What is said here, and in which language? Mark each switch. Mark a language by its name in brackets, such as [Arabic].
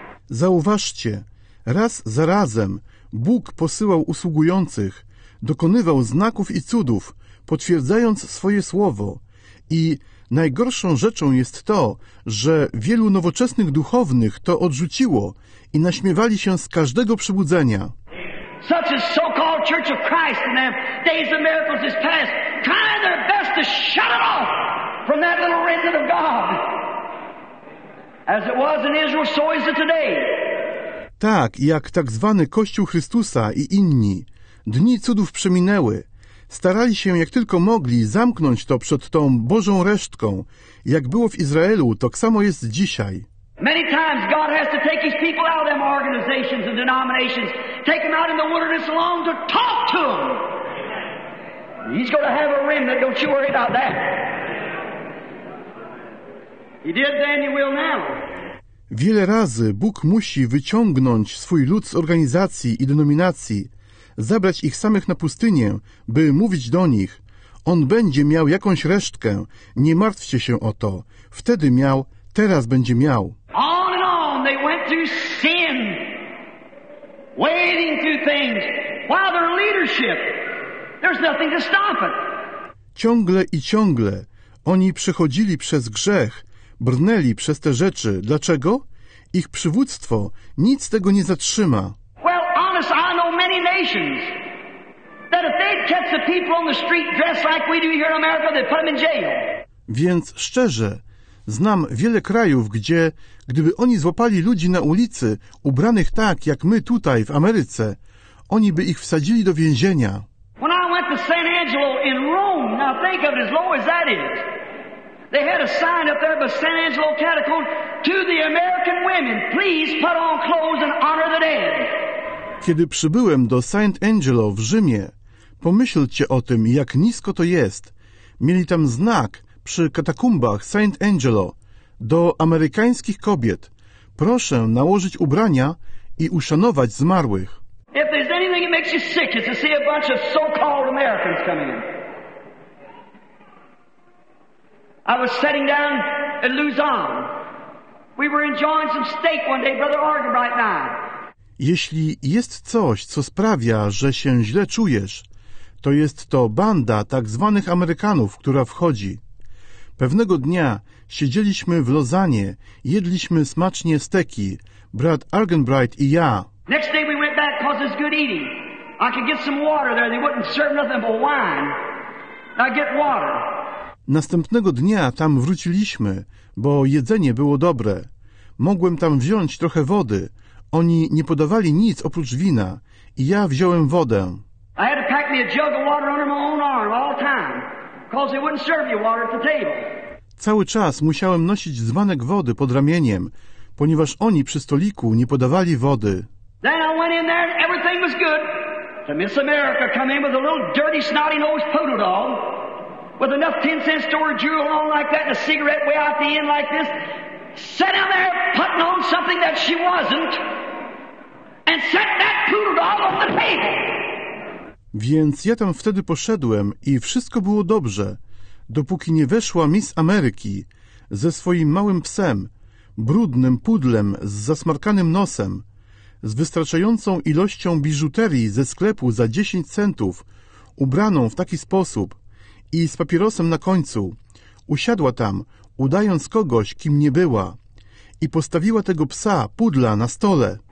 [Polish] Zauważcie, raz za razem Bóg posyłał usługujących, dokonywał znaków i cudów, potwierdzając swoje słowo. I najgorszą rzeczą jest to, że wielu nowoczesnych duchownych to odrzuciło i naśmiewali się z każdego przebudzenia. [English] Such as so-called Church of Christ in the days of miracles is past, trying their best to shut it off from that little remnant of God. As it was in Israel, so is it today. [Polish] Tak, jak tak zwany Kościół Chrystusa i inni, dni cudów przeminęły. Starali się jak tylko mogli zamknąć to przed tą Bożą resztką. Jak było w Izraelu, tak samo jest dzisiaj. [English] Many times God has to take his people out of them organizations and denominations. Take them out in the wilderness alone to talk to them. He's going to have a remnant, don't you worry about that. He did then, he will now. [Polish] Wiele razy Bóg musi wyciągnąć swój lud z organizacji i denominacji, zabrać ich samych na pustynię, by mówić do nich. On będzie miał jakąś resztkę, nie martwcie się o to. Wtedy miał, teraz będzie miał. [English] On and on, they went through sin, wading through things, while their leadership, there's nothing to stop it. [Polish] Ciągle i ciągle oni przechodzili przez grzech, brnęli przez te rzeczy. Dlaczego? Ich przywództwo nic tego nie zatrzyma. [English] Well, honest, I know many nations that if they'd catch the people on the street dressed like we do here in America, they'd put them in jail. [Polish] Więc szczerze, znam wiele krajów, gdzie gdyby oni złapali ludzi na ulicy, ubranych tak, jak my tutaj w Ameryce, oni by ich wsadzili do więzienia. [English] When I went to San Angelo in Rome, now think of it, as low as that is, they had a sign up there by San Angelo Catacomb, to the American women, please put on clothes and honor the dead. [Polish] Kiedy przybyłem do St. Angelo w Rzymie, pomyślcie o tym, jak nisko to jest. Mieli tam znak przy katakumbach St. Angelo. Do amerykańskich kobiet proszę nałożyć ubrania i uszanować zmarłych. [English] If there's anything that makes you sick, it's to see a bunch of so-called Americans coming in. I was sitting down at Luzon. We were enjoying some steak one day, Brother Argenbright and I. [Polish] Jeśli jest coś, co sprawia, że się źle czujesz, to jest to banda tak zwanych Amerykanów, która wchodzi. Pewnego dnia siedzieliśmy w Lozanie, jedliśmy smacznie steki, brat Argenbright i ja. [English] Next day we went back because it's good eating. I could get some water there. They wouldn't serve nothing but wine. I get water. [Polish] Następnego dnia tam wróciliśmy, bo jedzenie było dobre. Mogłem tam wziąć trochę wody. Oni nie podawali nic oprócz wina i ja wziąłem wodę. [English] I had to pack me a jug of water under my own arm all the time, because they wouldn't serve you water at the table. [Polish] Cały czas musiałem nosić dzbanek wody pod ramieniem, ponieważ oni przy stoliku nie podawali wody. [English] Then I went in there and everything was good. The Miss America come in with a little dirty snotty-nosed poodle dog, with enough 10-cent store jewel on like that and a cigarette way out the end like this. Sat down there putting on something that she wasn't and set that poodle dog on the table. [Polish] Więc ja tam wtedy poszedłem i wszystko było dobrze, dopóki nie weszła Miss Ameryki ze swoim małym psem, brudnym pudlem z zasmarkanym nosem, z wystarczającą ilością biżuterii ze sklepu za 10 centów, ubraną w taki sposób i z papierosem na końcu, usiadła tam, udając kogoś, kim nie była, i postawiła tego psa, pudla, na stole.